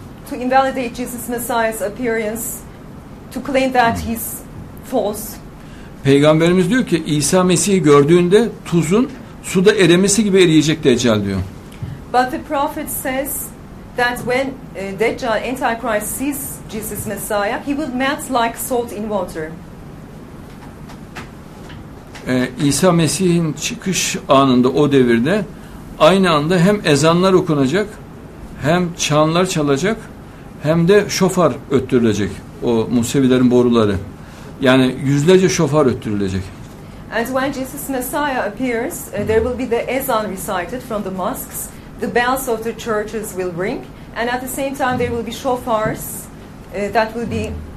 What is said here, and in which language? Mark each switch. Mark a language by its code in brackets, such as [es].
[en] To invalidate Jesus Messiah's appearance, to claim that he's false. [tr] Peygamberimiz diyor ki İsa Mesih'i gördüğünde tuzun suda erimesi gibi eriyecek Deccal diyor. [en] But the prophet says that when Deccal Antichrist sees Jesus Messiah, he will melt like salt in water. [tr] İsa Mesih'in çıkış anında o devirde aynı anda hem ezanlar okunacak, hem çanlar çalacak, hem de şofar öttürülecek o Musevilerin boruları. Yani yüzlerce şofar öttürülecek. [en] And when Jesus Messiah appears, there will be the ezan recited from the mosques, the bells of the churches will ring, and at the same time there will be shofars that will be